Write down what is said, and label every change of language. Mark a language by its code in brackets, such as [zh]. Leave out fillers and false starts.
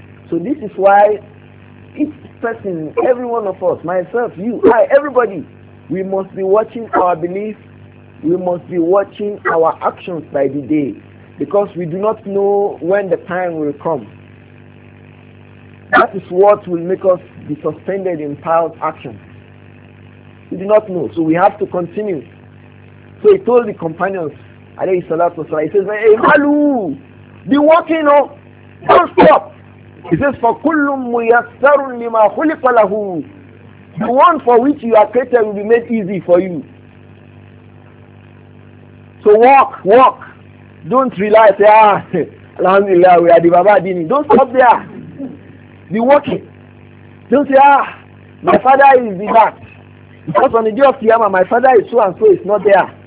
[en] So this is why each person, every one of us, myself, you, I, everybody, we must be watching our belief, we must be watching our actions by the day, because we do not know when the time will come. That is what will make us be suspended in piled action. We do not know, so we have to continue. So he told the companions, alayhi salatu wasalam, he says, hey, halu, be walking, no? Don't stop. He says, [ar] فَكُلُّمْ مُيَسَّرٌ لِمَا خُلِقَ لَهُ. [en] The one for which you are created will be made easy for you. So walk, walk. Don't rely, say, ah, alhamdulillah, we are the Baba Dini. Don't stop there. Be walking. Don't say, ah, my father is the back. Because on the day of Qiyamah, my father is so and so, is not there.